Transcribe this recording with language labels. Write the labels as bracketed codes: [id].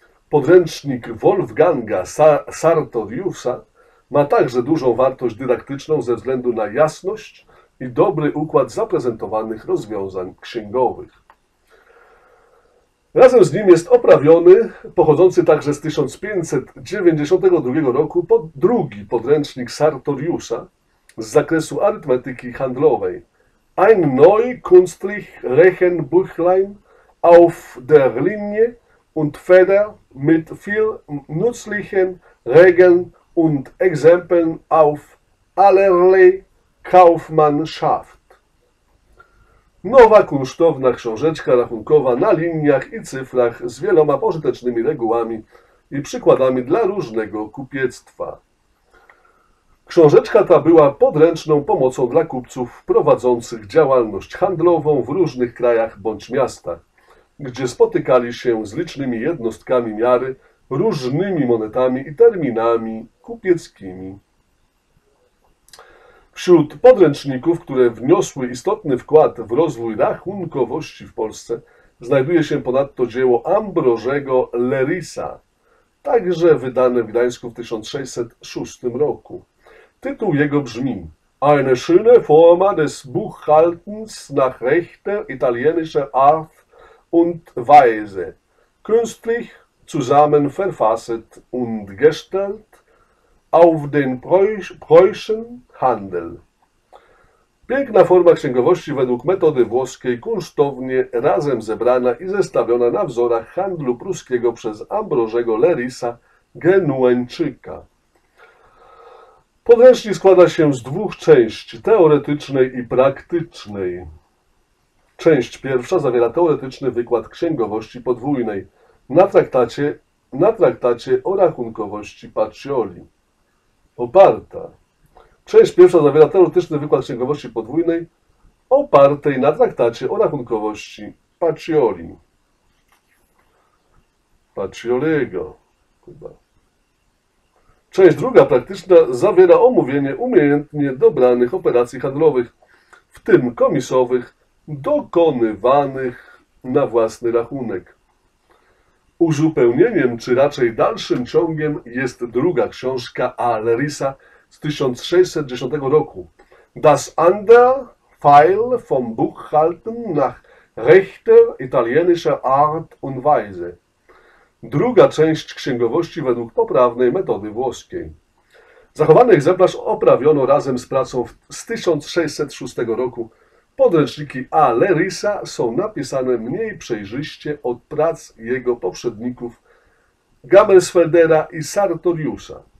[pl] Podręcznik Wolfganga Sartoriusa ma także dużą wartość dydaktyczną ze względu na jasność i dobry układ zaprezentowanych rozwiązań księgowych. Razem z nim jest oprawiony, pochodzący także z 1592 roku, drugi podręcznik Sartoriusza z zakresu arytmetyki handlowej. [de] Ein neu kunstlich Rechenbüchlein auf der Linie und Feder mit viel nützlichen Regeln und Exempeln auf allerlei Kaufmannschaft. [pl] Nowa kunsztowna książeczka rachunkowa na liniach i cyfrach z wieloma pożytecznymi regułami i przykładami dla różnego kupiectwa. Książeczka ta była podręczną pomocą dla kupców prowadzących działalność handlową w różnych krajach bądź miastach, gdzie spotykali się z licznymi jednostkami miary, różnymi monetami i terminami kupieckimi. Wśród podręczników, które wniosły istotny wkład w rozwój rachunkowości w Polsce, znajduje się ponadto dzieło Ambrożego Lerisa, także wydane w Gdańsku w 1606 roku. Tytuł jego brzmi [de] Eine schöne Forma des Buchhaltens nach rechter italienischer Art und Weise, künstlich zusammen verfasset und gestellt auf den preußischen Handel. [pl] Piękna forma księgowości według metody włoskiej, kunsztownie razem zebrana i zestawiona na wzorach handlu pruskiego przez Ambrożego Lerisa Genueńczyka. Podręcznik składa się z dwóch części, teoretycznej i praktycznej. Część pierwsza zawiera teoretyczny wykład księgowości podwójnej na traktacie o rachunkowości Pacioli. Oparta. Część pierwsza zawiera teoretyczny wykład księgowości podwójnej opartej na traktacie o rachunkowości Pacioli. Pacioliego. Chyba. Część druga, praktyczna, zawiera omówienie umiejętnie dobranych operacji handlowych, w tym komisowych, dokonywanych na własny rachunek. Uzupełnieniem, czy raczej dalszym ciągiem, jest druga książka A. Lerisa z 1610 roku. [de] Das andere Teil vom Buchhalten nach rechter italienischer Art und Weise. [pl] Druga część księgowości według poprawnej metody włoskiej. Zachowany egzemplarz oprawiono razem z pracą z 1606 roku. Podręczniki A. Lerisa są napisane mniej przejrzyście od prac jego poprzedników Gammelsfeldera i Sartoriusza.